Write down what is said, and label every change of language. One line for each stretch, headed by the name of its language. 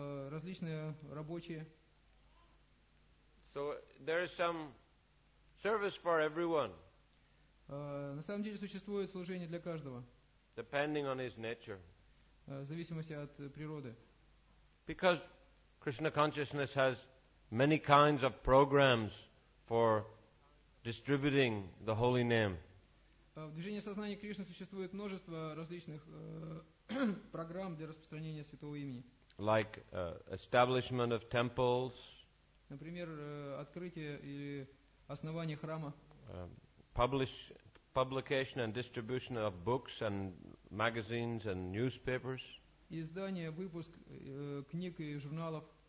Russian: Различные рабочие.
English: So there is some service for everyone.
Russian: На самом деле существует служение для каждого.
English: Depending on his nature.
Russian: В зависимости от природы.
English: Because Krishna consciousness has many kinds of programs for distributing the holy name.
Russian: В движении сознания Кришны существует множество различных программ для распространения святого имени.
English: Like establishment of temples.
Russian: Например, открытие или основания храма.
English: Publication and distribution of books and magazines and newspapers.
Russian: Издание, выпуск книг и журналов.